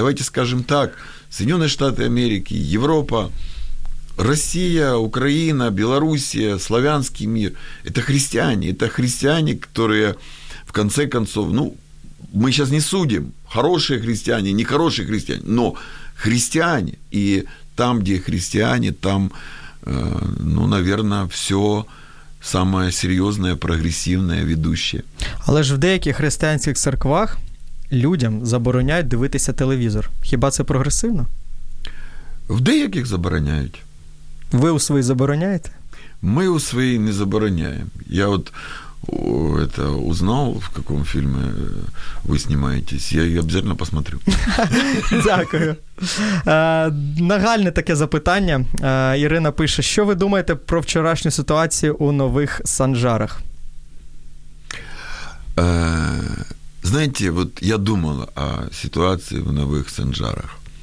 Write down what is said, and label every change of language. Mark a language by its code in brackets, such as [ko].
[ru] Давайте скажем так, Соединенные Штаты Америки, Европа, Россия, Украина, Белоруссия, славянский мир, это христиане, которые в конце концов, ну, мы сейчас не судим, хорошие христиане, нехорошие христиане, но христиане, и там, где христиане, там, ну, наверное, все самое серьезное, прогрессивное, ведущее. [uk] Але ж в деяких християнських церквах людям забороняють дивитися телевізор. Хіба це прогресивно? В деяких забороняють. Ви у своїй забороняєте? Ми у своїй не забороняємо. [ru] Я от это узнал, в каком фильме вы снимаетесь, я обязательно посмотрю. [uk] Дякую. Нагальне таке запитання. Ірина пише, що ви думаєте про вчорашню ситуацію у Нових Санжарах? [ru] Знаете, вот я думал о ситуации в Нових Санжарах.